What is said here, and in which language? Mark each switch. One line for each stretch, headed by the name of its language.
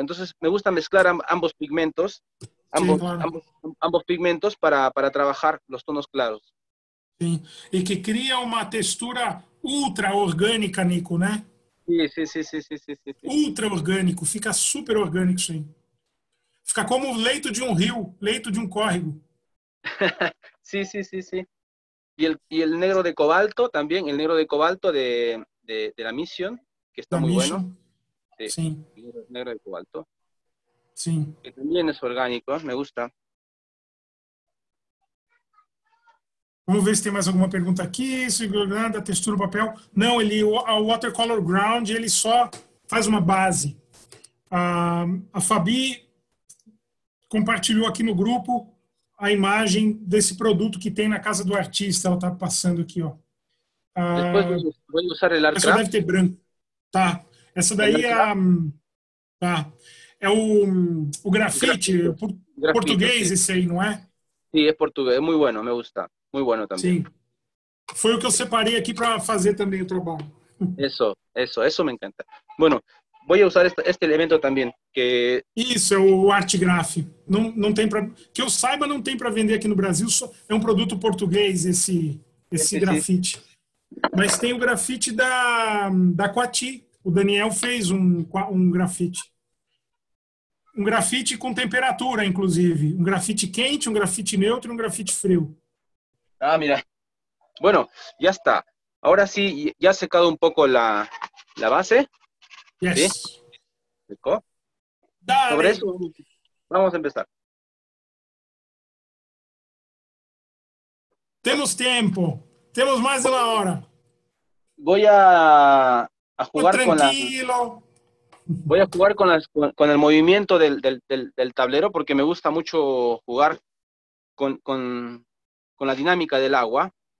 Spanish: Entonces, me gusta mezclar ambos pigmentos, ambos, sí, claro, ambos pigmentos para trabajar los tonos claros. Sí, y que crea una textura ultra orgánica, Nico, ¿no? Sí.
Portuguese: Ultra orgánico, fica super orgánico, sí. Fica como leito de um rio, leito de um córrego. Sim, sim, sim, sim. E o negro de cobalto também, o negro de cobalto de La Mission, que está muito bom. Sim. Negro de cobalto. Sim. Que também é orgânico,
Spanish: me gusta.
Portuguese: Vamos ver se tem mais alguma pergunta aqui. Se da textura do papel. Não, ele, o Watercolor Ground, ele só faz uma base. A Fabi compartilhou aqui no grupo a imagem desse produto que tem na casa do artista. Ela está passando aqui, ó. Depois vou usar o Larcraft. Essa deve ter branco. Tá. Essa daí é, tá. É o grafite, grafite português, sim, esse aí, não é? Sim, é português. É muito bom,
Spanish: me gusta.
Portuguese: Muito bom também. Sim. Foi o que eu separei aqui para fazer também o trabalho. Isso me encanta. Bueno.
Spanish: Voy a usar este elemento también, que...
Portuguese: Isso, é o Artigraf. Não tem pra... Que eu saiba, não tem para vender aqui no Brasil. Só... É um produto português, esse grafite. Mas tem o grafite da Quati. O Daniel fez um grafite. Um grafite com temperatura, inclusive. Um grafite quente, um grafite neutro e um grafite frio.
Spanish: Ah, mira. Bueno,
Portuguese: já está. Agora sim, já secado um pouco a base...
English: Yes.
Spanish: ¿Sí? ¿Seco? Dale. Sobre eso, vamos a empezar. Tenemos tiempo. Tenemos más de una hora. Voy a jugar tranquilo. Voy a jugar con el movimiento del tablero, porque me gusta mucho jugar con la dinámica del agua.